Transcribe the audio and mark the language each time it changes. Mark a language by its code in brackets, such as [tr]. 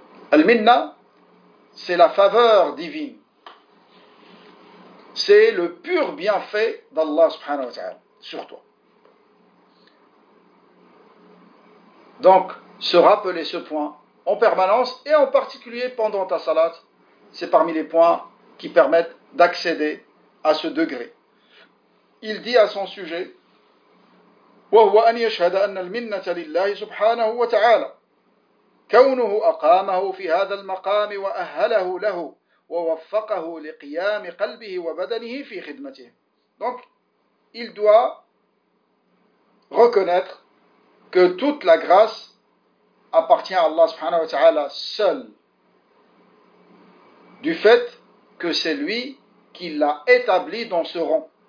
[fr] Al-Minna, c'est la faveur divine. C'est le pur bienfait d'Allah subhanahu wa ta'ala sur toi. Donc, se rappeler ce point en permanence et en particulier pendant ta salat, c'est parmi les points qui permettent d'accéder à ce degré. Il dit à son sujet, [ar] وهو أن يشهد أن المنة لله سبحانه وتعالى كونه أقامه في هذا المقام وأهله له ووفقه لقيام قلبه وبدنه في خدمته. [fr] Donc, il doit reconnaître que toute la grâce appartient à Allah subhanahu wa ta'ala seul, du fait que c'est lui qui l'a établi dans ce rang.